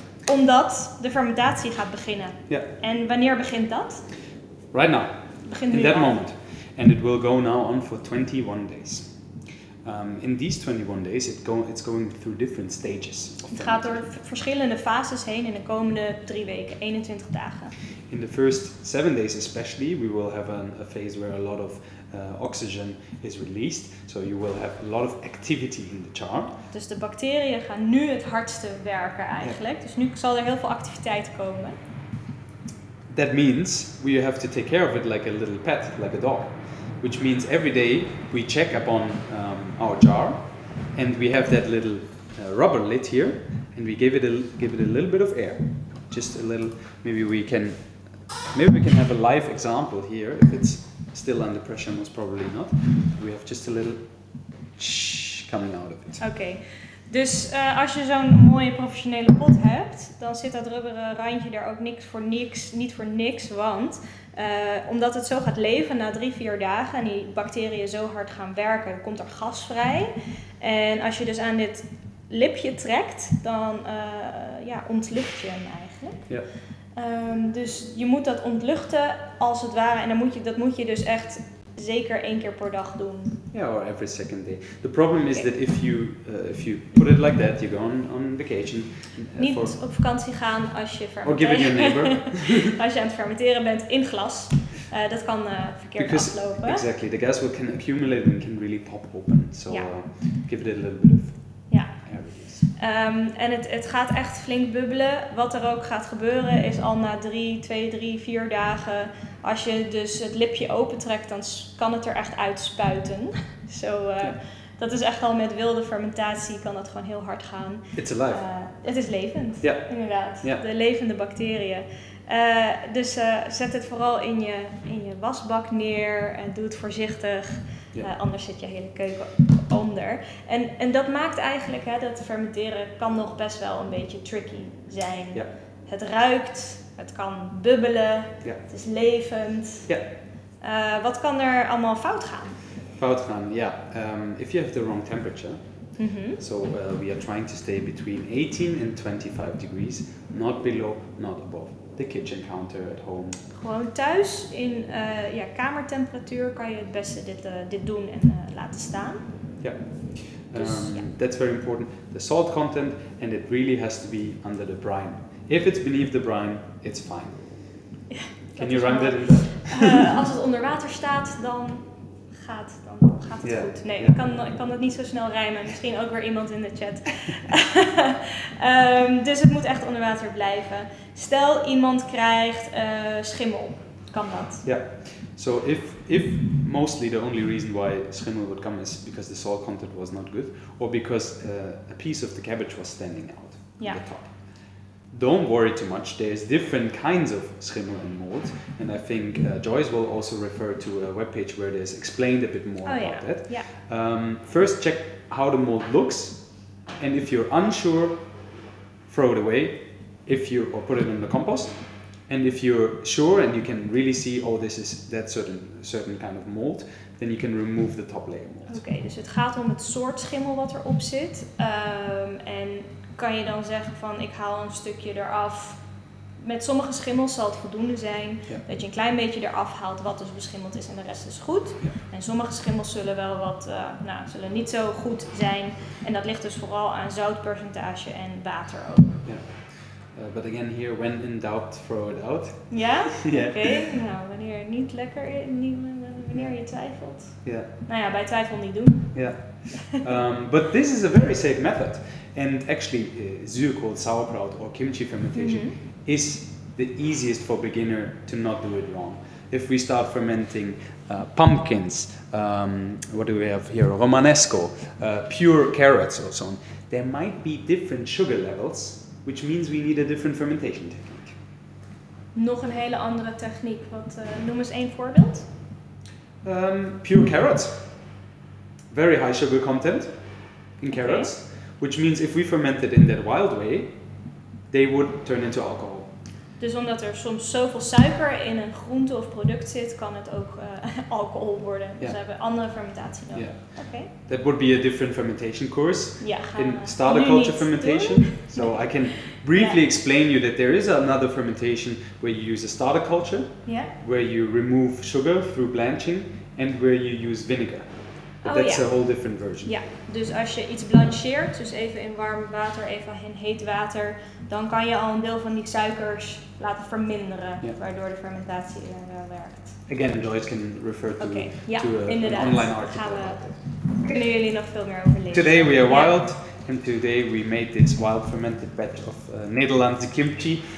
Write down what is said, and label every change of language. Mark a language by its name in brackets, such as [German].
[Dutch] omdat de fermentatie gaat beginnen. Ja. En wanneer begint dat? [English] Right now. [Dutch] Begint in nu that al. Moment. [English] And it will go now on for 21 days. In these 21 days, it's going through different stages. [Dutch] Het gaat door verschillende fases heen in de komende 3 weken, 21 dagen. [English] In the first 7 days especially, we will have a phase where a lot of oxygen is released. So you will have a lot of activity in the char. [Dutch] Dus de bacteriën gaan nu het hardste werken eigenlijk. Yeah. Dus nu zal er heel veel activiteit komen. [English] That means we have to take care of it like a little pet, like a dog. Which means every day we check up on our jar and we have that little rubber lid here and we give it a little bit of air. Just a little, maybe we can have a live example here. If it's still under pressure, most probably not. We have just a little coming out of it. Okay. [Dutch] Dus als je zo'n mooie professionele pot hebt, dan zit dat rubberen randje daar ook niet voor niks, want omdat het zo gaat leven na 3-4 dagen en die bacteriën zo hard gaan werken, komt er gas vrij. En als je dus aan dit lipje trekt, dan ontlucht je hem eigenlijk. Ja. Dus je moet dat ontluchten als het ware en dat moet je dus echt zeker 1 keer per dag doen. [English] Ja, yeah, or every second day. The problem is that if you put it like that, you go on vacation. [Dutch] Niet op vakantie gaan als je fermenteert. [English] Or give it your neighbor. [Dutch] Als je aan het fermenteren bent in glas, dat kan verkeerd aflopen. [English] Exactly, the gas will can accumulate and can really pop open. So give it a little bit of air. [Dutch] En het gaat echt flink bubbelen. Wat er ook gaat gebeuren is al na 2, 3, 4 dagen, als je dus het lipje opentrekt, dan kan het er echt uitspuiten. Dat is echt al met wilde fermentatie, kan dat gewoon heel hard gaan. [English] It's alive. [Dutch] Het is levend, [English] yeah. [Dutch] Inderdaad. [English] Yeah. [Dutch] De levende bacteriën. Dus zet het vooral in je wasbak neer en doe het voorzichtig. Yeah. Anders zit je hele keuken onder. En dat maakt eigenlijk, hè, dat fermenteren kan nog best wel een beetje tricky zijn. Ja. Het ruikt, het kan bubbelen, ja. Het is levend. Ja. Wat kan er allemaal fout gaan? Fout gaan, ja. [English] If you have the wrong temperature, mm-hmm. So we are trying to stay between 18 and 25 degrees, not below, not above. The kitchen counter at home. [Dutch] Gewoon thuis in kamertemperatuur kan je het beste dit doen en laten staan. [English] Yeah. That's very important. The salt content, and it really has to be under the brine. If it's beneath the brine, it's fine. Yeah, can you run that? [Dutch] Als het onder water staat, dan gaat het, [English] yeah, [Dutch] goed. Nee, [English] yeah. [Dutch] ik kan het niet zo snel rijmen. Misschien ook weer iemand in de chat. dus het moet echt onder water blijven. Stel iemand krijgt schimmel. Kan dat? Ja. Yeah. [English] So if mostly the only reason why schimmel would come is because the salt content was not good. Or because a piece of the cabbage was standing out, yeah, on the top. Don't worry too much. There's different kinds of schimmel and mold. And I think Joyce will also refer to a webpage where there's explained a bit more about that. Yeah. First check how the mold looks. And if you're unsure, throw it away. Or put it in the compost. And if you're sure and you can really see, oh, this is that certain kind of mold, then you can remove the top layer mold. [Dutch] Okay, dus het gaat om het soort schimmel wat erop zit. En kan je dan zeggen van, ik haal een stukje eraf. Met sommige schimmels zal het voldoende zijn, [English] yeah, [Dutch] dat je een klein beetje eraf haalt wat dus beschimmeld is en de rest is goed. [English] Yeah. [Dutch] En sommige schimmels zullen wel wat, zullen niet zo goed zijn. En dat ligt dus vooral aan zoutpercentage en water ook. [English] Yeah. But again here, when in doubt, throw it out. [Dutch] Ja? [English] Yeah? [Dutch] Oké. Okay. Nou, wanneer het niet lekker is, wanneer je twijfelt. Ja. [English] Yeah. [Dutch] Nou ja, bij twijfel niet doen. [English] Ja. Yeah. But this is a very safe method. And actually, zuurkool, sauerkraut or kimchi fermentation, mm-hmm, is the easiest for beginner to not do it wrong. If we start fermenting pumpkins, what do we have here? Romanesco, pure carrots or so on, there might be different sugar levels. Which means we need a different fermentation technique. [Dutch] Nog een hele andere techniek. Wat noem eens 1 voorbeeld. [English] Pure carrots. Very high sugar content in carrots. Okay. Which means if we fermented in that wild way, they would turn into alcohol. [Dutch] Dus omdat er soms zoveel suiker in een groente of product zit, kan het ook alcohol worden. Dus we hebben andere fermentatie nodig. [English] Yeah. Okay. That would be a different fermentation course. Yeah, in starter culture fermentation. So I can briefly explain you that there is another fermentation where you use a starter culture, where you remove sugar through blanching, and where you use vinegar. But that's a whole different version. [Dutch] Ja, dus als je iets blancheert, dus even in warm water, even in heet water, dan kan je al een deel van die suikers laten verminderen, waardoor de fermentatie er wel werkt. [English] Again, Joyce can refer to, to an online article. [Dutch] Kunnen jullie nog veel meer over lezen. [English] Today we are wild, and today we made this wild fermented batch of Nederlandse kimchi.